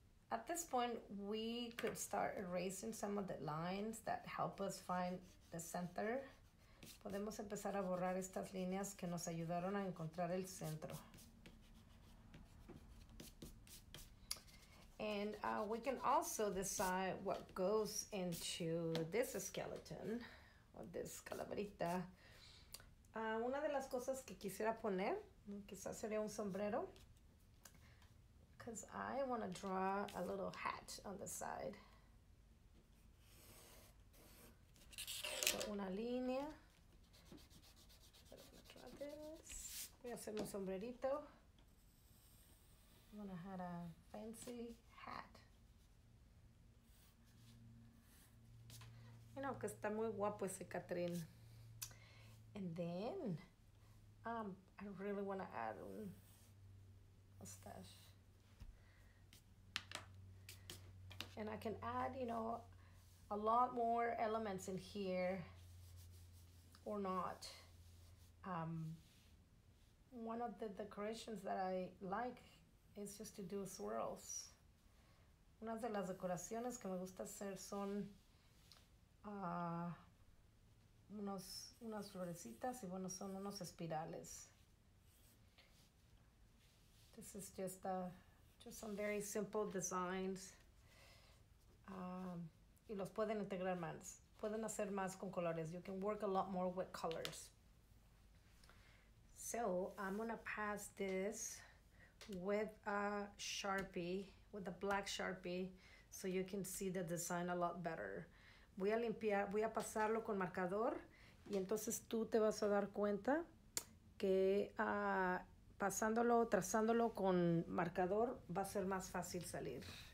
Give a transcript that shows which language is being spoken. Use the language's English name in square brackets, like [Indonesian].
[English] At this point, we could start erasing some of the lines that help us find the center. [Spanish] Podemos empezar a borrar estas líneas que nos ayudaron a encontrar el centro. [English] And we can also decide what goes into this skeleton, or this calaverita. [Spanish] Una de las cosas que quisiera poner, quizás sería un sombrero. [English] Because I want to draw a little hat on the side. So [Spanish] una línea. [English] I'm going to draw this. [Spanish] Voy a hacer un sombrerito. [English] I'm going to have a fancy hat. [Spanish] You know, que está muy guapo ese Catrín. [English] And then, I really want to add a mustache. And I can add, you know, a lot more elements in here or not. One of the decorations that I like is just to do swirls. [Spanish] Una de las decoraciones que me gusta hacer son unas florecitas y bueno, son unos espirales. [English] This is just some very simple designs. [Spanish] Y los pueden integrar más. Pueden hacer más con colores. [English] You can work a lot more with colors. So, I'm gonna pass this with a Sharpie, with a black Sharpie, so you can see the design a lot better. [Spanish] Voy a pasarlo con marcador, y entonces tú te vas a dar cuenta que pasándolo, trazándolo con marcador, va a ser más fácil salir.